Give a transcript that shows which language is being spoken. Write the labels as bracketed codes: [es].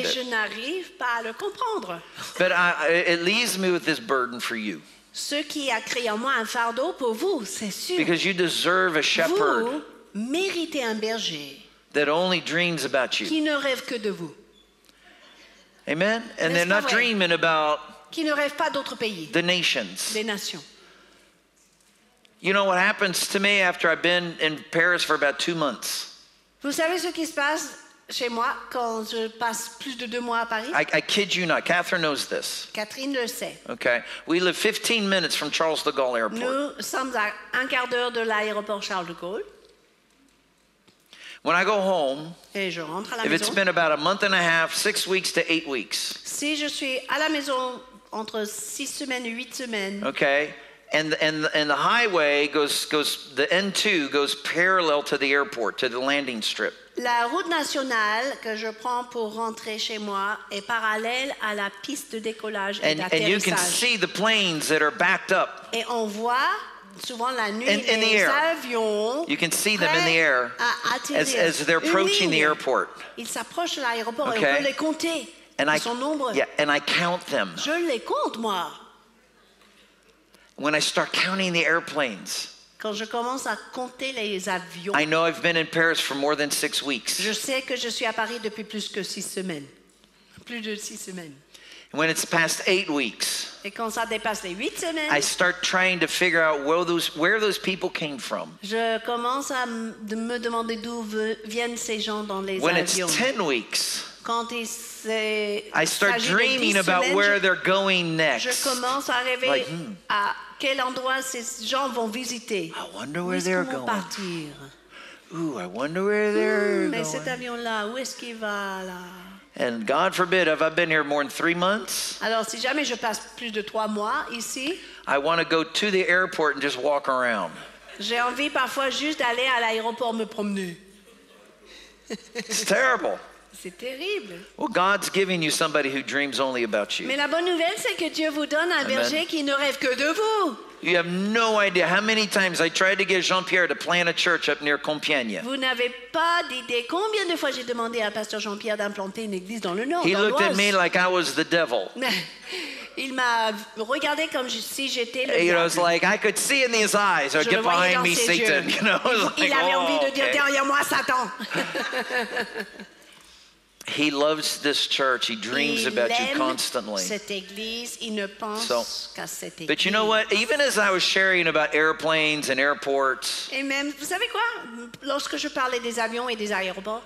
[en] it. [fr] Et je n'arrive pas à le comprendre. [en] But it leaves me with this burden for you. [fr] Ce qui a créé en moi un fardeau pour vous, c'est sûr. [en] Because you deserve a shepherd. [fr] Vous méritez un berger. [en] That only dreams about you. [fr] Qui ne rêve que de vous. [en] Amen. And they're not dreaming about. [fr] Qui ne rêve pas d'autres pays. [en] The nations. [fr] Les nations. [en] You know what happens to me after I've been in Paris for about 2 months? [fr] Vous savez ce qui se passe chez moi quand je passe plus de 2 mois à Paris? [en] I kid you not. Kathryn knows this. [fr] Kathryn le sait. [en] Okay. We live 15 minutes from Charles de Gaulle Airport. [fr] Nous sommes à un quart d'heure de l'aéroport Charles de Gaulle. [en] When I go home, [fr] et je rentre à la [en] if [fr] maison, [en] it's been about a month and a half, 6 weeks to 8 weeks. [fr] Si je suis à la maison entre 6 semaines et 8 semaines. [en] Okay. And the highway goes the N2 goes parallel to the airport, to the landing strip. [fr] La route nationale que je prends pour rentrer chez moi est parallèle à la piste de décollage et d'atterrissage. [en] And you can see the planes that are backed up. [fr] Et on voit souvent la nuit in les air. Avions [en] you can see them in the air as they're approaching the airport. [fr] Ils s'approchent de l'aéroport okay. Et on peut les compter. [en] And [fr] ils sont nombreux. [en] Yeah, and I count them. [fr] Je les compte moi. [en] When I start counting the airplanes. [fr] Quand je commence à compter les avions. [en] I know I've been in Paris for more than 6 weeks. [fr] Je sais que je suis à Paris depuis plus que 6 semaines. Plus de 6 semaines. [en] When it's past 8 weeks, [fr] et quand ça dépasse les 8 semaines, [en] I start trying to figure out where those people came from. [fr] Je commence à me demander d'où viennent ces gens dans les [en] when [fr] avions. [en] When it's 10 weeks, [fr] quand [en] I start dreaming about [fr] semaines, [en] where they're going next. [fr] Je commence à rêver à quel endroit ces gens vont visiter. [en] I wonder where they're going. [fr] Vont partir. [en] Ooh, I wonder where they're [fr] mais Mais cet avion-là, où est-ce qu'il va là? [en] And God forbid, have I been here more than 3 months? [fr] Alors, si jamais je passe plus de 3 mois ici, [en] I want to go to the airport and just walk around. [fr] J'ai envie parfois juste d'aller à l'aéroport me promener. [en] It's terrible. [fr] C'est terrible. [en] Well, God's giving you somebody who dreams only about you. [fr] Mais la bonne nouvelle, c'est que Dieu vous donne un Amen. Berger qui ne rêve que de vous. [en] You have no idea how many times I tried to get Jean-Pierre to plant a church up near Compiègne. [fr] Vous n'avez pas d'idée combien de fois j'ai demandé à Pasteur Jean-Pierre d'implanter une église dans le nord. [en] He looked at me like I was the devil. [fr] Il m'a regardé comme si j'étais le diable. [en] You know, it's like I could see in his eyes, or get behind me, Satan. You know, [fr] il avait envie de dire derrière moi, Satan. [en] He loves this church. He dreams about you constantly. [fr] Cette église, il ne pense so, qu'à cette église. [en] But you know what? Even as I was sharing about airplanes and airports, [fr] et même, vous savez quoi? Lorsque je parlais des avions et des aéroports,